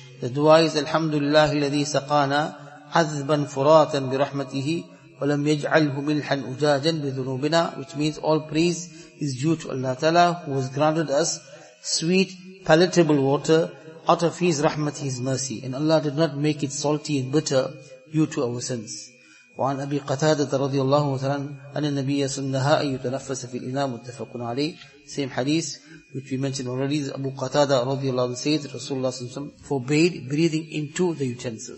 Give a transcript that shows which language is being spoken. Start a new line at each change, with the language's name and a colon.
English: The dua is Alhamdulillah
Arabic: الذي سقانا عذبا فراتا برحمته ولم يجعله ملحا أجاجا بذنوبنا,
English: which means all praise is due to Allah Ta'ala who has granted us sweet palatable water out of His rahmat, His mercy, and Allah did not make it salty and bitter due to our sins.
Arabic: وعن أبي قتادة رضي الله تعالى أن النبي صلى الله عليه وسلم يتنفس في الإناء متفق عليه.
English: Same hadith which we mentioned already, Abu Qatada radiallahu anhu said that Rasulullah sallallahu alayhi wa sallam forbade breathing into the utensil.